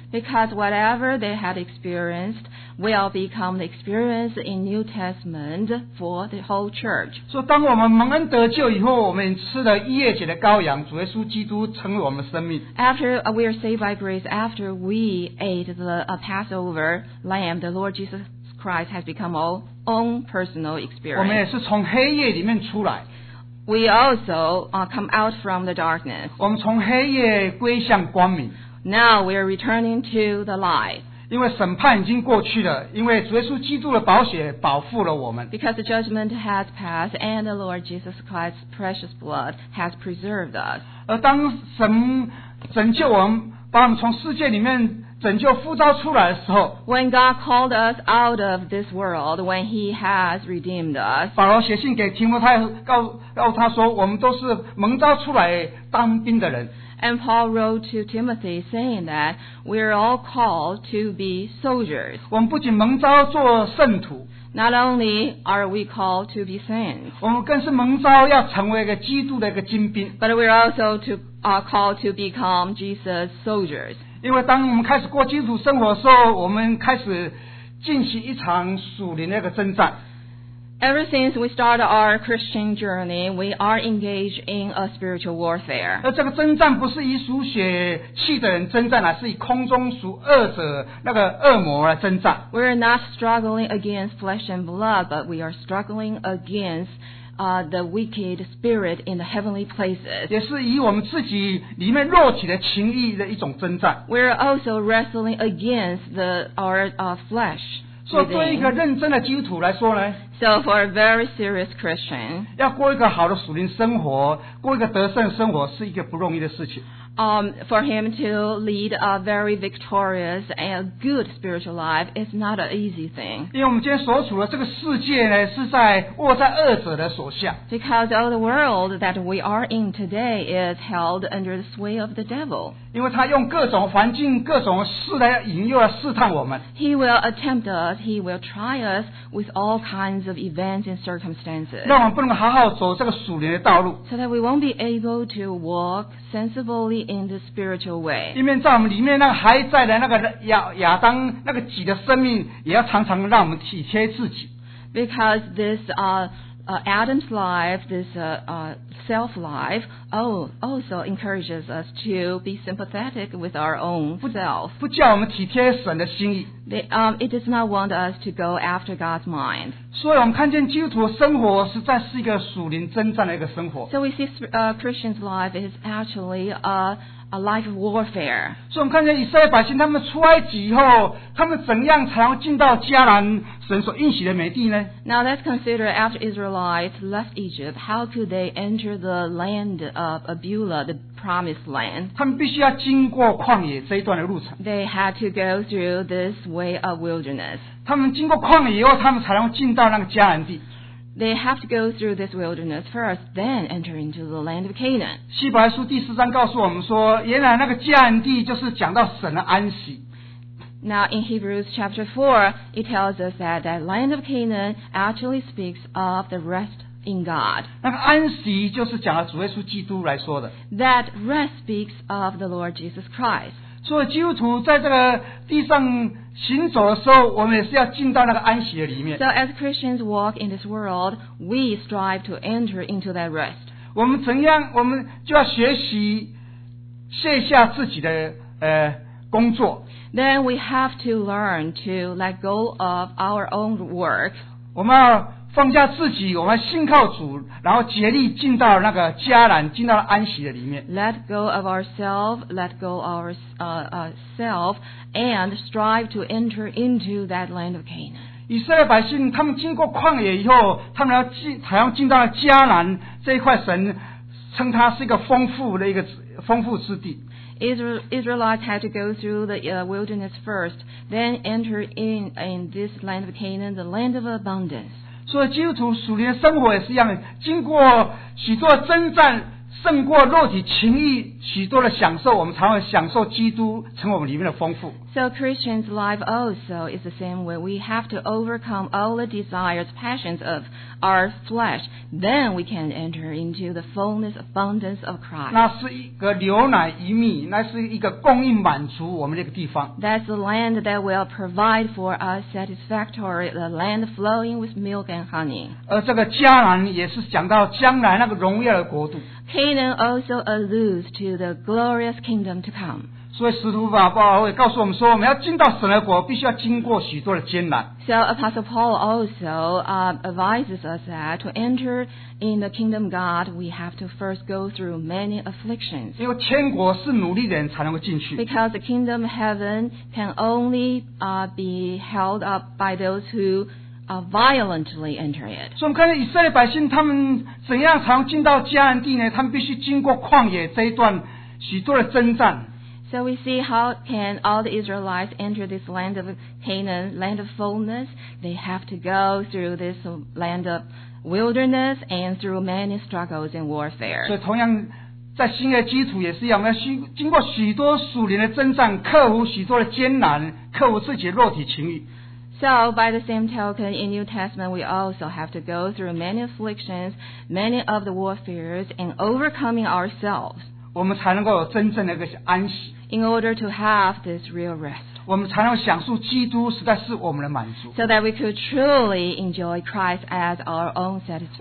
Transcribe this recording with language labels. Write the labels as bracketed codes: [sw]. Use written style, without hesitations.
[en] Because whatever they had experienced will become the experience in New Testament for the whole church. [zh] 说当我们蒙恩得救以后，我们吃了逾越节的羔羊，主耶稣基督成了我们生命。 [en] After we are saved by grace, after we ate the Passover lamb, the Lord Jesus Christ has become our own personal experience. [zh] 我们也是从黑夜里面出来。 [en] We also come out from the darkness. [zh] 我们从黑夜归向光明。 [en] Now we are returning to the light. [zh] 因为审判已经过去了，因为主耶稣基督的宝血保护了我们。 [en] Because the judgment has passed and the Lord Jesus Christ's precious blood has preserved us. [zh] 而当神拯救我们，把我们从世界里面拯救呼召出来的时候 [en] When God called us out of this world, when He has redeemed us, [zh] 保罗写信给提摩太，告诉他说，我们都是蒙召出来当兵的人。 [en] And Paul wrote to Timothy saying that we are all called to be soldiers. [zh] 我们不仅蒙召做圣徒。 [en] Not only are we called to be saints, [zh] 我们更是蒙召要成为一个基督的一个精兵。 [en] But we are also called to become Jesus' soldiers. [zh] 因为当我们开始过基督生活的时候，我们开始进行一场属灵的一个征战。 [en] Ever since we start our Christian journey, we are engaged in a spiritual warfare. [zh] 而这个征战不是以属血气的人征战，而是以空中属恶者那个恶魔来征战。 [en] We are not struggling against flesh and blood, but we are struggling against the wicked spirit in the heavenly places. [zh] 也是以我们自己里面肉体的情欲的一种征战。 [en] We're also wrestling against our flesh. [zh] 所以，对一个认真的基督徒来说呢 [en] ？So for a very serious Christian, [zh] 要过一个好的属灵生活，过一个得胜生活，是一个不容易的事情。 [en] For him to lead a very victorious and good spiritual life is not an easy thing. [zh] 因为我们今天所处的这个世界呢，是在握在恶者的手下。 [en] Because all the world that we are in today is held under the sway of the devil. [zh] 因为他用各种环境、各种事来引诱、试探我们。 [en] He will attempt us. He will try us with all kinds of events and circumstances. [zh] 让我们不能好好走这个属灵的道路。 [en] So that we won't be able to walk sensibly. In the spiritual way. [zh] 一面在我们里面那个还在的那个亚当那个己的生命，也要常常让我们体贴自己。 [en] Because this Adam's life, this self life, also encourages us to be sympathetic with our own self. [zh] 不叫我们体贴神的心意。 [en] It does not want us to go after God's mind. [zh] 所以我们看见基督徒生活实在是一个属灵征战的一个生活。 [en] So we see Christian's life is actually a life of warfare. [zh] 所以我们看见以色列百姓他们出埃及以后，他们怎样才能进到迦南神所应许的美地呢 [en] ？Now let's consider after Israelites left Egypt, how could they enter the land of Beulah, the promised land. [zh] 他们必须要经过旷野这一段的路程。 [en] They had to go through this way of wilderness. [zh] 他们经过旷野以后，他们才能进到那个迦南地。 [en] They have to go through this wilderness first, then enter into the land of Canaan. [zh] 希伯来书第四章告诉我们说，原来那个迦南地就是讲到神的安息。 [en] Now in Hebrews chapter 4, it tells us that the land of Canaan actually speaks of the rest in God. [zh] 那个安息就是讲了主耶稣基督来说的。 [en] That rest speaks of the Lord Jesus Christ. [zh] 所以基督徒在这个地上行走的时候，我们也是要进到那个安息的里面。 [en] So as Christians walk in this world, we strive to enter into that rest. [zh] 我们怎样，我们就要学习卸下自己的工作。 [en] Then we have to learn to let go of our own work. [zh] 我们要放下自己，我们要信靠主，然后竭力进到那个迦南，进到安息的里面。 [en] Let go of ourselves, let go of ourselves, and strive to enter into that land of Canaan. [zh] 以色列百姓他们经过旷野以后，他们才要进到迦南这一块，神称它是一个丰富的一个丰富之地。 [en] Israelites had to go through the wilderness first, then enter in this land of Canaan, the land of abundance. [zh] 所以基督徒属灵的生活也是一样，经过许多征战，胜过肉体情欲许多的享受，我们才会享受基督成为我们里面的丰富。 [en] So Christians' life also is the same way. We have to overcome all the desires, passions of our flesh. Then we can enter into the fullness, abundance of Christ. [zh] 那是一个牛奶一蜜，那是一个供应满足我们这个地方。 [en] That's the land that will provide for us satisfactory, the land flowing with milk and honey. [zh] 而这个迦南也是讲到将来那个荣耀的国度。 [en] Canaan also alludes to the glorious kingdom to come. [zh] 所以使徒保罗也告诉我们说，我们要进到神的国，必须要经过许多的艰难。 [en] So Apostle Paul also advises us that to enter in the kingdom of God, we have to first go through many afflictions. [zh] 因为天国是努力的人才能够进去。 [en] Because the kingdom of heaven can only be held up by those who violently enter it. [zh] 所以我们看到以色列百姓他们怎样才能进到迦南地呢？他们必须经过旷野这一段许多的征战。 [en] So we see how can all the Israelites enter this land of Canaan, land of fullness? They have to go through this land of wilderness and through many struggles and warfare. [zh] 所以同样在新约基础也是一样，我们要经过许多属灵的征战，克服许多的艰难，克服自己的肉体情欲。 [en] So by the same token, in New Testament, we also have to go through many afflictions, many of the warfares, and overcoming ourselves. [zh] 我们才能够有真正的一个安息。 [en] In order to have this real rest. [zh] 我们才能享受基督实在是我们的满足。 [en] So that we could truly enjoy Christ as our own satisfaction.